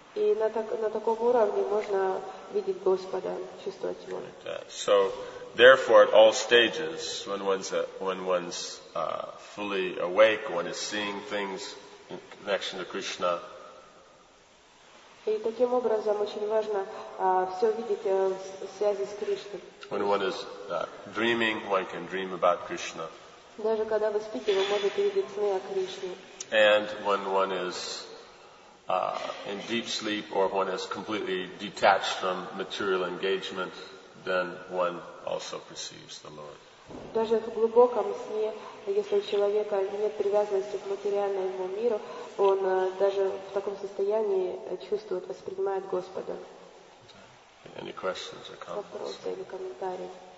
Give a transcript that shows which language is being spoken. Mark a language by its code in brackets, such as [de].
[ru] И на таком уровне можно видеть Господа, чувствовать Его. [en] So, therefore, at all stages, when one's fully awake, one is seeing things in connection to Krishna. [ru] И таким образом очень важно все видеть в связи с Кришной. [en] When one is dreaming, one can dream about Krishna. [ru] Даже когда вы спите, вы можете видеть сны о Кришне. [en] And when one is in deep sleep or one is completely detached from material engagement, then one also perceives the Lord. [ru] Даже в глубоком сне, если у человека нет привязанности к материальному миру, он даже в таком состоянии чувствует, воспринимает Господа. [en] Any questions or comments? [ru] Вопросы или комментарии?